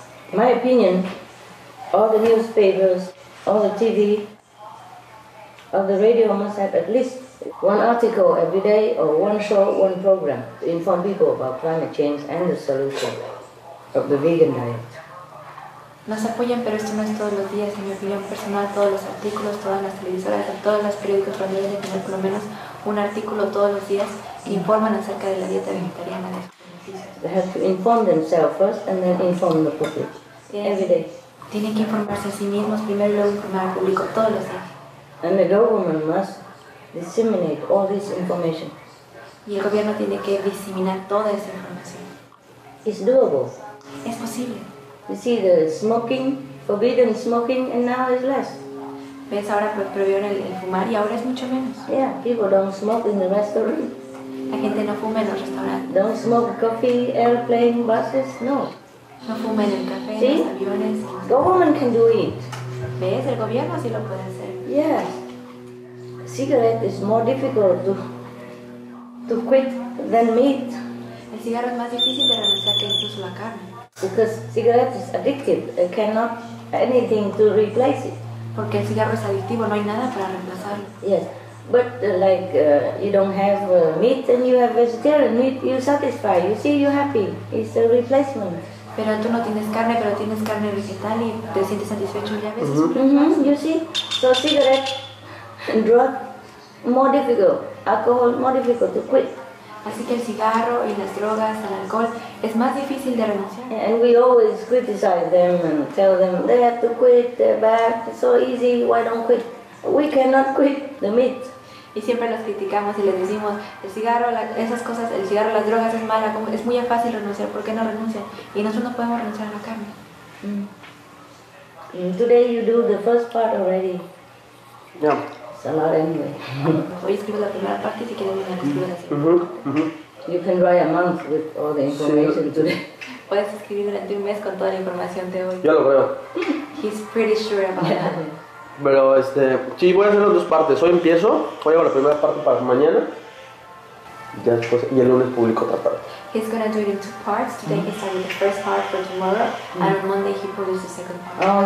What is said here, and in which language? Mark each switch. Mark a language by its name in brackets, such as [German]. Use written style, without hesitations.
[English] In my opinion, all the newspapers, all the TV, all the radio must have at least one article every day or one show, one program to inform people about climate change and the solution of the vegan diet. [Spanish] Nos apoyan, pero esto no es todos los días. En mi opinión personal, todos los artículos, todas las televisoras, todos los periódicos también deben tener por lo menos un artículo todos los días que informan acerca de la dieta vegetariana. [English] They have to inform themselves first and then inform the public. Yes. Every day. [Spanish] Tienen que informarse a sí mismos primero y luego informar al público todos los días. [English] And the government must disseminate all this information. [Spanish] Y el gobierno tiene que diseminar toda esa información. [English] It's doable. [Spanish] Es posible. [English] You see the smoking, forbidden smoking, and now it's less. [Spanish] ¿Ves? Ahora prohibieron el fumar y ahora es mucho menos. [English] Yeah, people don't smoke in the restaurant. [Spanish] La gente no fuma en los restaurantes. [English] Don't smoke coffee, airplane, buses, no. [Spanish] No fuma en el café, en los aviones. [English] The government can do it. [Spanish] ¿Ves? El gobierno sí lo puede hacer. [English] Yes. Yeah. Cigarette is more difficult to quit than meat. [Spanish] El cigarro es más difícil de renunciar que incluso la carne. [English] Because cigarette is addictive, it cannot anything to replace it. [Spanish] Porque el cigarro es adictivo, no hay nada para reemplazarlo. [English] Yes, but you don't have meat and you have vegetarian meat, you satisfy, you see, you're happy. It's a replacement. [Spanish] Pero tú no tienes carne, pero tienes carne vegetal y te sientes satisfecho ya ves. Mm-hmm. [English] You see, so cigarette and drug more difficult, alcohol more difficult to quit. [Spanish] Así que el cigarro y las drogas, el alcohol, es más difícil de renunciar. [English] And we always criticize them and tell them they have to quit, they're bad, it's so easy, why don't quit? We cannot quit the meat. [Spanish] Y siempre los criticamos y les decimos, el cigarro, esas cosas, el cigarro, las drogas es mala, es muy fácil renunciar, ¿por qué no renuncian? Y nosotros no podemos renunciar a la carne. [English] Mm. Today you do the first part already. Yeah. You can write a month with all the information today. [Spanish] Puedes escribir durante un mes con toda la información de hoy. Ya lo creo. [English] He's pretty sure about that. [Spanish] Pero sí, voy a hacer las dos partes. Hoy empiezo, voy a la primera parte para mañana. Ya después, y el lunes publico otra parte. [English] He's gonna do it in two parts. Today he started the first part for tomorrow, and on Monday he produces the second part.